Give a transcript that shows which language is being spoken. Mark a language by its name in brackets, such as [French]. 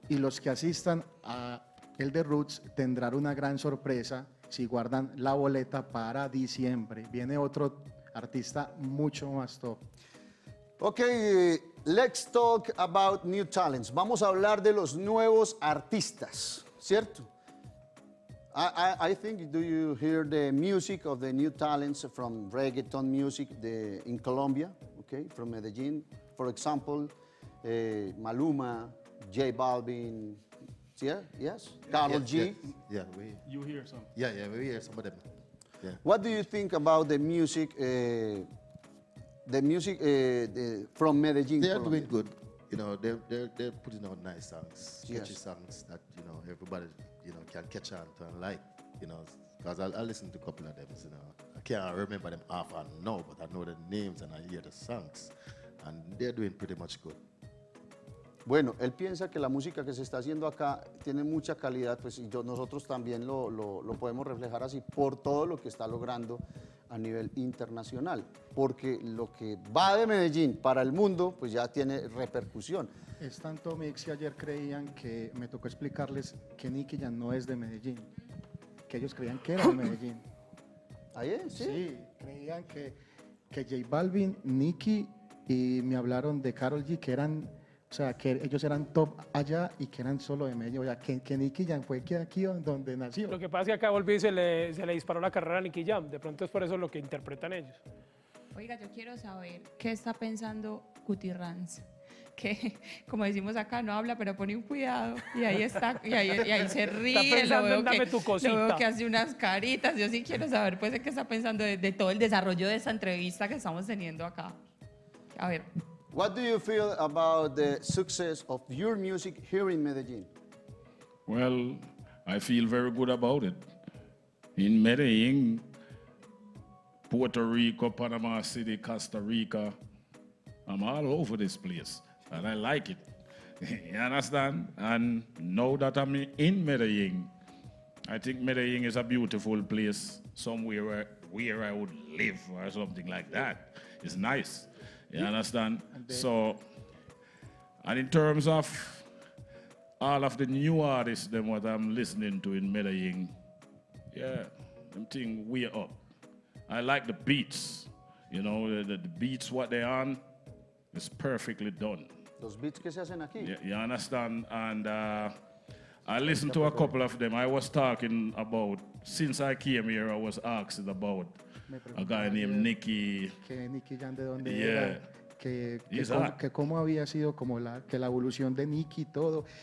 [Spanish] Y los que asistan a el de Roots tendrán una gran sorpresa si guardan la boleta para diciembre. Viene otro artista mucho más top. [English] Ok, let's talk about new talents. [Spanish] Vamos a hablar de los nuevos artistas, ¿cierto? [English] I think, do you hear the music of the new talents from reggaeton music in Colombia, okay, from Medellín? For example, Maluma, J Balvin, Karol G? You hear some. Yeah, we hear some of them. Yeah. What do you think about the music? The music from Medellín. They are doing good, you know. They're putting out nice songs, catchy songs that you know everybody you know can catch on to and like, you know. Because I listen to a couple of them, you know. I can't remember them off and now, but I know the names and I hear the songs, and they're doing pretty much good. [Spanish] Bueno, él piensa que la música que se está haciendo acá tiene mucha calidad, pues yo nosotros también lo podemos reflejar así por todo lo que está logrando a nivel internacional, porque lo que va de Medellín para el mundo, pues ya tiene repercusión. Es tanto mix que ayer creían que, me tocó explicarles que Nicky ya no es de Medellín, que ellos creían que era de Medellín. ¿Ahí es? Sí, creían que J Balvin, Nicky y me hablaron de Karol G, que eran, o sea, que ellos eran top allá y que eran solo de Medellín. O sea, que Nicky Jam fue aquí donde nació. Lo que pasa es que acá volví y se le disparó la carrera a Nicky Jam. De pronto es por eso lo que interpretan ellos. Oiga, yo quiero saber qué está pensando Cuti Ranz. Que, como decimos acá, no habla, pero pone un cuidado. Y ahí está, y ahí se ríe. Está pensando, dame tu cosita. Lo veo que hace unas caritas. Yo sí quiero saber, pues, qué está pensando de todo el desarrollo de esa entrevista que estamos teniendo acá. A ver. [English] What do you feel about the success of your music here in Medellín? Well, I feel very good about it. In Medellín, Puerto Rico, Panama City, Costa Rica, I'm all over this place, and I like it. You understand? And now that I'm in Medellín, I think Medellín is a beautiful place, somewhere where I would live or something like that. It's nice. You understand? And in terms of all of the new artists, them what I'm listening to in Medellín, them thing way up. I like the beats, you know, the beats what they on is perfectly done. Those beats [Spanish] que se hacen aquí. [English] Yeah, you understand? And I listened to a couple of them. I was talking about, since I came here, I was asked about a guy named Nicky. [Spanish] Que Nicky Jam, ¿de dónde era? Que cómo había sido como la evolución de Nicky y todo.